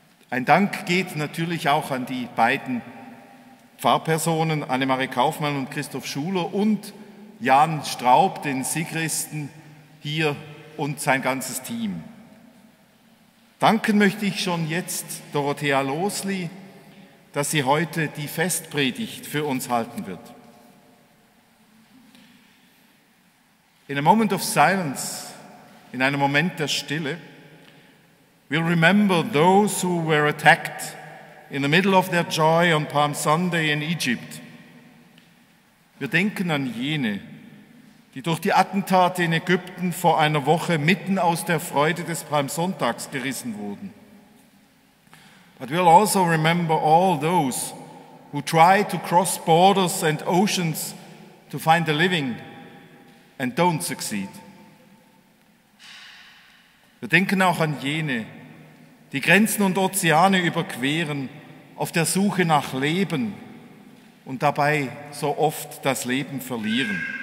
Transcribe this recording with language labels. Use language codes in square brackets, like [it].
[de] Ein Dank geht natürlich auch an die beiden Pfarrpersonen, Annemarie Kaufmann und Christoph Schuler, und Jan Straub, den Sigristen, hier und sein ganzes Team. Danken möchte ich schon jetzt Dorothea Losli, dass sie heute die Festpredigt für uns halten wird. [en] In a moment of silence, [de] in einem Moment der Stille, [en] we'll remember those who were attacked in the middle of their joy on Palm Sunday in Egypt. [de] Wir denken an jene, die durch die Attentate in Ägypten vor einer Woche mitten aus der Freude des Palmsonntags gerissen wurden. [en] But we'll also remember all those who try to cross borders and oceans to find a living and don't succeed. [de] Wir denken auch an jene, die Grenzen und Ozeane überqueren auf der Suche nach Leben und dabei so oft das Leben verlieren.